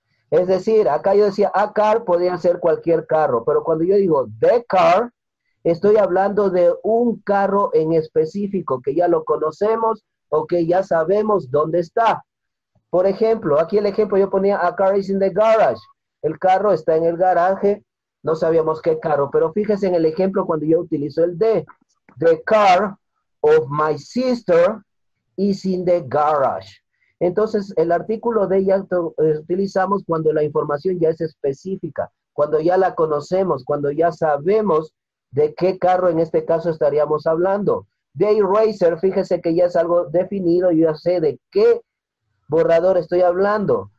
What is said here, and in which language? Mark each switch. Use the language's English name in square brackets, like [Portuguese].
[Spanish] Es decir, acá yo decía [English] a car, [Spanish] podría ser cualquier carro, pero cuando yo digo [English] the car, [Spanish] estoy hablando de un carro en específico, que ya lo conocemos o que ya sabemos dónde está. Por ejemplo, aquí el ejemplo, yo ponía [English] a car is in the garage. [Spanish] El carro está en el garaje, no sabíamos qué carro. Pero fíjese en el ejemplo cuando yo utilizo el de. [English] The car of my sister is in the garage. [Spanish] Entonces, el artículo de ya utilizamos cuando la información ya es específica. Cuando ya la conocemos, cuando ya sabemos de qué carro en este caso estaríamos hablando. [English] The eraser, [Spanish] fíjese que ya es algo definido, yo ya sé de qué borrador estoy hablando.